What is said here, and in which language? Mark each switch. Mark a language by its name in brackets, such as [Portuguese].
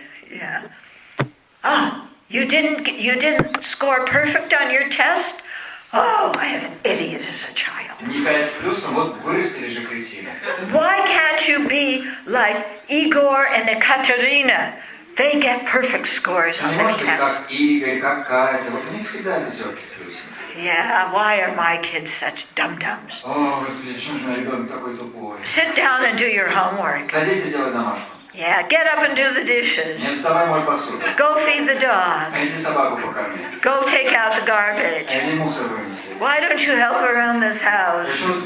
[English] Yeah. Oh, you didn't score perfect on your test? Oh, I have an idiot as a child. [Russian] Не 5 с плюсом, вот вырастили же кретины. [English] Why can't you be like Igor and Ekaterina? They get perfect scores on their tests. [Russian] Они как Игорь, как Катя, вот они всегда идут с плюсом. [English] Yeah, why are my kids such dum-dums? [Russian] О, Господи, почему же мой ребенок такой тупой? [English] Sit down and do your homework. [Russian] Садись и делай домашку. [English] Yeah, get up and do the dishes. Go feed the dog. Go take out the garbage. Why don't you help around this house?